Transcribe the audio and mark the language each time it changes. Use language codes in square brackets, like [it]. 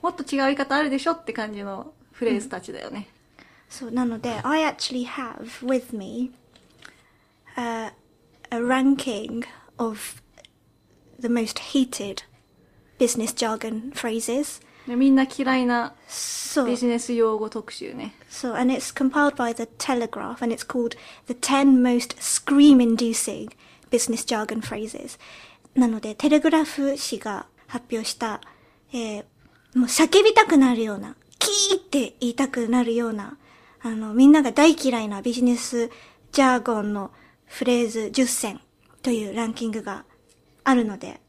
[ja] うん。もっと違う言い方あるでしょって感じのフレーズたちだよね。うん、そう、なので、 [en] I actually have with me, a ranking. Of the most hated business jargon phrases. [ja] みんな嫌いなビジネス用語特集ね。 [en] So, and it's compiled by the Telegraph, and it's called the 10 most scream-inducing business jargon phrases. [ja] なので、テレグラフ紙が発表した、もう叫びたくなるような、キーって言いたくなるような、みんなが大嫌いなビジネスジャーゴンのフレーズ10選。というランキングがあるので。